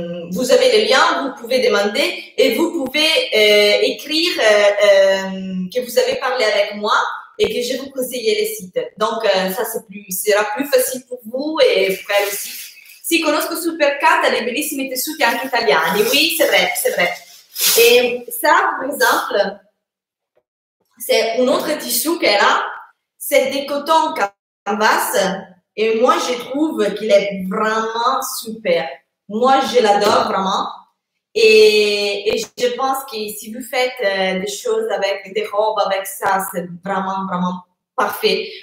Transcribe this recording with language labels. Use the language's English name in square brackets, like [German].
[French] Vous avez les liens, vous pouvez demander et vous pouvez écrire que vous avez parlé avec moi. Et que je vous conseillais les sites. Donc, ça, sera plus facile pour vous et pour elle aussi. [Italian] Si, conosco Supercat, les bellissimi tessuti anche italiani. [French] Oui, c'est vrai. Et ça, par exemple, c'est un autre tissu qu'elle a. C'est des cotons canvas. Et moi, je trouve qu'il est vraiment super. Moi, je l'adore vraiment. Et je pense que si vous faites des choses avec des robes, avec ça, c'est vraiment, vraiment parfait.